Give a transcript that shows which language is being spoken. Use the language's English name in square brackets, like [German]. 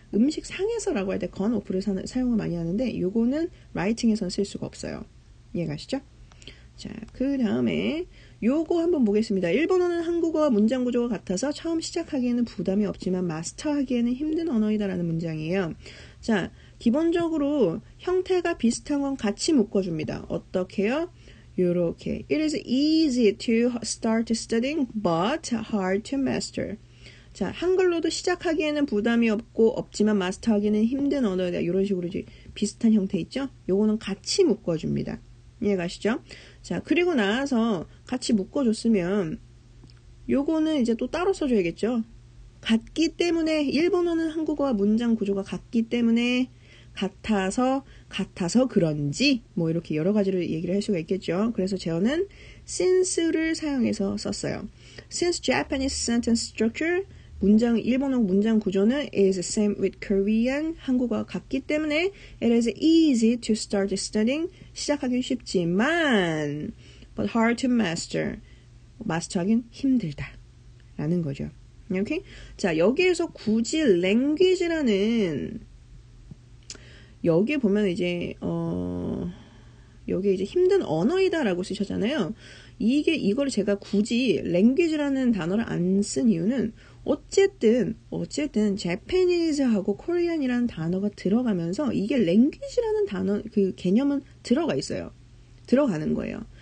[Korean] 음식 상해서라고 할때 gone off를 사용을 많이 하는데, 요거는 라이팅에선 쓸 수가 없어요. 이해가시죠? 자, 그 다음에 요거 한번 보겠습니다. 일본어는 한국어와 문장 구조가 같아서 처음 시작하기에는 부담이 없지만 마스터하기에는 힘든 언어이다라는 문장이에요. 자, 기본적으로 형태가 비슷한 건 같이 묶어줍니다. 어떻게요? 요렇게. [English] It is easy to start studying, but hard to master. [Korean] 자, 한글로도 시작하기에는 부담이 없고, 없지만 마스터하기에는 힘든 언어다. 이런 식으로 이제 비슷한 형태 있죠? 요거는 같이 묶어줍니다. 이해가시죠? 자, 그리고 나서 같이 묶어줬으면, 요거는 이제 또 따로 써줘야겠죠? 같기 때문에, 일본어는 한국어와 문장 구조가 같기 때문에, 같아서 그런지, 뭐, 이렇게 여러 가지를 얘기를 할 수가 있겠죠. 그래서 저는 since를 사용해서 썼어요. [English] Since Japanese sentence structure, [Korean] 일본어 문장 구조는 [English] is the same with Korean, [Korean] 한국어와 같기 때문에 [English] it is easy to start studying, [Korean] 시작하기 쉽지만, [English] but hard to master, [Korean] 마스터하기 힘들다. 라는 거죠. 오케이? 자, 여기에서 굳이 language라는 여기 보면 이제 여기 이제 힘든 언어이다라고 쓰셨잖아요. 이걸 제가 굳이 language라는 단어를 안쓴 이유는 어쨌든 Japanese하고 Korean이라는 단어가 들어가면서 이게 language라는 단어 그 개념은 들어가 있어요. 들어가는 거예요.